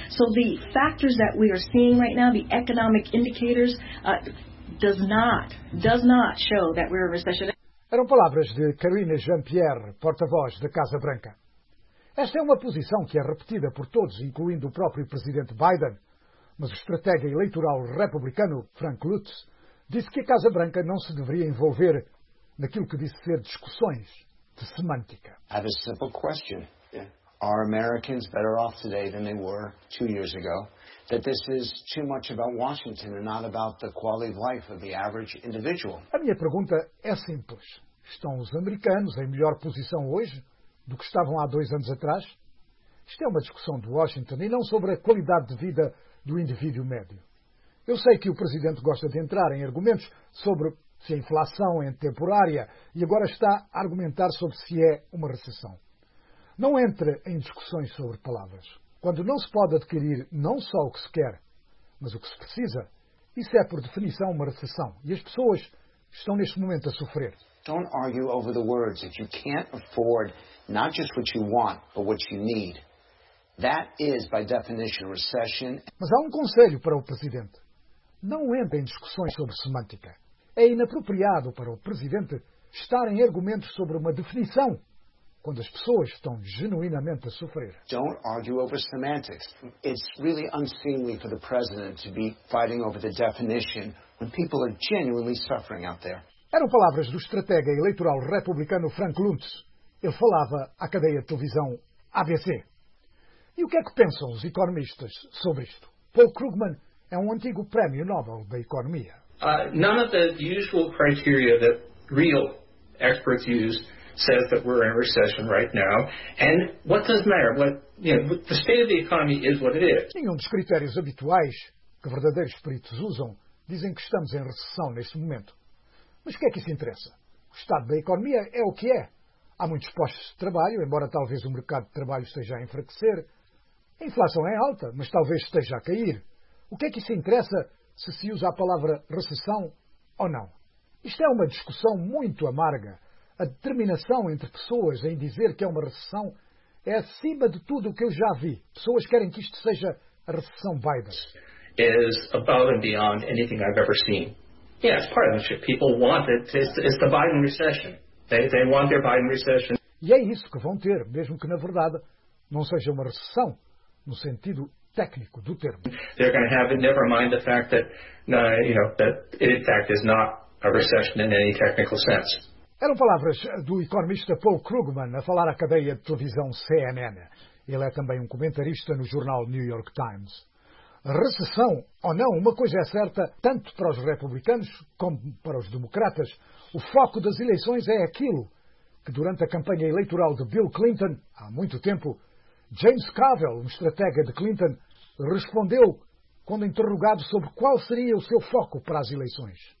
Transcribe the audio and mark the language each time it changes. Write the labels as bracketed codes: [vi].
[en] So the factors that we are seeing right now, the economic indicators, does not show that we're a recession. [pt] Eram palavras de Karine Jean-Pierre, porta-voz da Casa Branca. Esta é uma posição que é repetida por todos, incluindo o próprio presidente Biden, mas o estratega eleitoral republicano Frank Lutz disse que a Casa Branca não se deveria envolver naquilo que disse ser discussões de semântica. [en] I have a simple question. Are Americans better off today than they were 2 years ago? That this is too much about Washington and not about the quality of life of the average individual? [pt] A minha pergunta é simples. Estão os americanos em melhor posição hoje do que estavam há 2 anos atrás? Isto é uma discussão de Washington e não sobre a qualidade de vida do indivíduo médio. Eu sei que o presidente gosta de entrar em argumentos sobre se a inflação é temporária e agora está a argumentar sobre se é uma recessão. Não entre em discussões sobre palavras. Quando não se pode adquirir não só o que se quer, mas o que se precisa, isso é, por definição, uma recessão. E as pessoas estão, neste momento, a sofrer. [en] Don't argue over the words. If you can't afford not just what you want, but what you need, that is, by definition, recession. [pt] Mas há um conselho para o presidente. Não entre em discussões sobre semântica. É inapropriado para o presidente estar em argumentos sobre uma definição quando as pessoas estão genuinamente a sofrer. [en] Don't argue over semantics. It's really unseemly for the president to be fighting over the definition when people are genuinely suffering out there. [pt] Eram palavras do estratega eleitoral republicano Frank Luntz. Ele falava à cadeia de televisão ABC. E o que é que pensam os economistas sobre isto? Paul Krugman é um antigo prémio Nobel da economia. [en] None of the usual criteria that real experts use says that we're in a recession right now. And what does matter? The state of the economy is what it is. [pt] Nenhum dos critérios habituais que verdadeiros peritos usam dizem que estamos em recessão neste momento. Mas o que é que isso interessa? O estado da economia é o que é. Há muitos postos de trabalho, embora talvez o mercado de trabalho esteja a enfraquecer. A inflação é alta, mas talvez esteja a cair. O que é que isso interessa se usa a palavra recessão ou não? Isto é uma discussão muito amarga. A determinação entre pessoas em dizer que é uma recessão é acima de tudo o que eu já vi. Pessoas querem que isto seja a recessão Biden. [en] Is above and beyond anything I've ever seen. Yeah, it's partisanship. People want it. It's the Biden recession. They want their Biden recession. [pt] E é isso que vão ter, mesmo que na verdade não seja uma recessão no sentido técnico do termo. [en] They're going to have it, never mind the fact that, that it in fact is not a recession in any technical sense. [pt] Eram palavras do economista Paul Krugman a falar à cadeia de televisão CNN. Ele é também um comentarista no jornal New York Times. Recessão ou não, uma coisa é certa, tanto para os republicanos como para os democratas, o foco das eleições é aquilo que durante a campanha eleitoral de Bill Clinton, há muito tempo, James Carville, um estratega de Clinton, respondeu quando interrogado sobre qual seria o seu foco para as eleições.